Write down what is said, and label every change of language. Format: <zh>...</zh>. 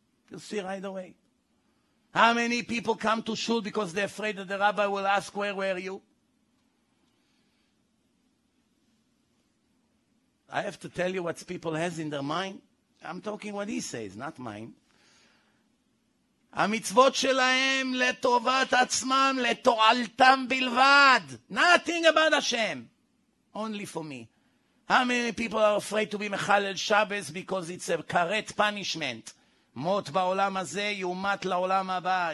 <en>You'll see right away. How many people come to shul because they're afraid that the rabbi will ask, where were you? I have to tell you what people has in their mind. I'm talking what he says, not mine.</en> <he>המצוות שלהם לטובת עצמם, לתועלתם בלבד.</he> <en>Nothing about Hashem. Only for me. How many people are afraid to be מחלל Shabbos because it's a karet punishment?</en> <he>מות בעולם הזה, יומת לעולם הבא.</he>